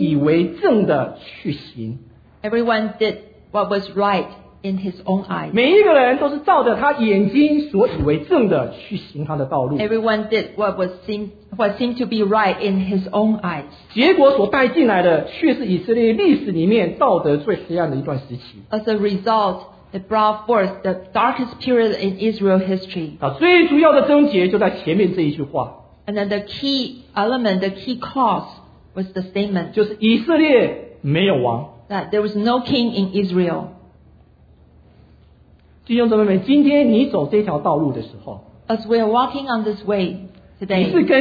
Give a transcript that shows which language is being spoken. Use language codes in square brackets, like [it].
[zh] 个人照自己眼睛以为正的去行。 [en] Everyone did what was right in his own eyes. [zh] 每一个人都是照着他眼睛所以为正的去行他的道路。 [en] Everyone did what seemed to be right in his own eyes. [zh] 结果所带进来的却是以色列历史里面道德最黑暗的一段时期。 [en] As a result, it brought forth the darkest period in Israel history. [zh] 最主要的症结就在前面这一句话。 [en] And then the key element, the key cause was the statement. [zh] 就是以色列没有王。 [en] That there was no king in Israel. [zh] 弟兄姊妹们，今天你走这条道路的时候， [en] As we are walking on this way today，